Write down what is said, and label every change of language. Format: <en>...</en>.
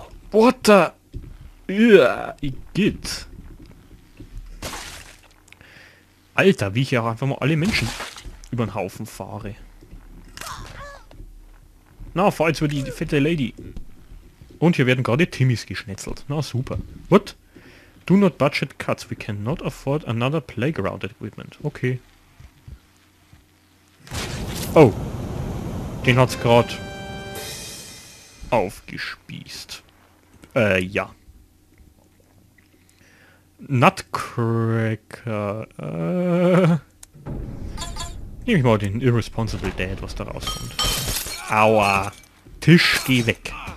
<en>What the? Igitt.</en> <de>Alter, wie ich ja auch einfach mal alle Menschen über den Haufen fahre. Na, fahr jetzt über die fette Lady. Und hier werden gerade Timmys geschnetzelt. Na, super.</de> <en>What? Do not budget cuts. We cannot afford another playground equipment. Okay. Oh.</en> <de>Den hat's gerade aufgespießt. Ja.</de> <en>Nutcracker.</en> <de>Nehme ich mal den Irresponsible Dad, was da rauskommt. Aua. Tisch, geh weg.</de>